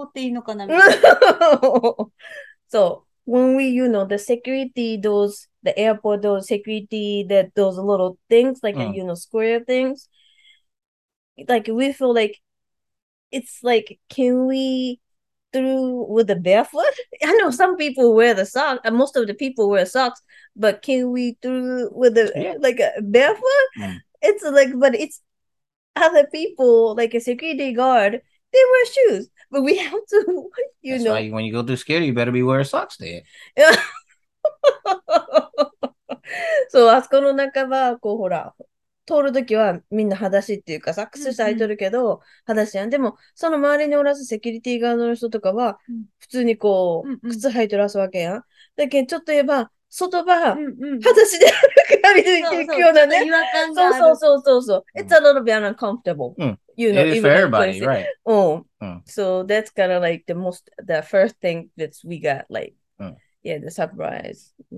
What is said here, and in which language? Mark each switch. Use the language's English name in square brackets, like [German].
[Japanese] 靴脱がんばやん。そこを通るのが裸足で歩くっていうのが通っていいのかなみたいな。 [English] So when we, you know, the security, those, the airport, those security, that those little things, like, you know, square things, like, we feel like, it's like, can we through with the barefoot? I know some people wear the socks, and most of the people wear socks, but can we through with the, like, a barefoot? It's like, but it's, other people, like a security guard, they wear shoes. But we have to, you know. That's why when you go through security, you better be wearing socks there. [Japanese] So, あそこの中は、こう、ほら、通るときはみんな裸足っていうか、靴履いてるけど、裸足やん。でも、その周りにおらず、セキュリティ側の人とかは、普通にこう、靴履いてるわけやん。だけど、ちょっと言えば、 外場、裸足で歩くなみたいな、そうそうそうそう。 [English] It's a little bit uncomfortable. You know, it is for everybody, right? So that's kind of like the most, the first thing that we got, like, yeah, the surprise.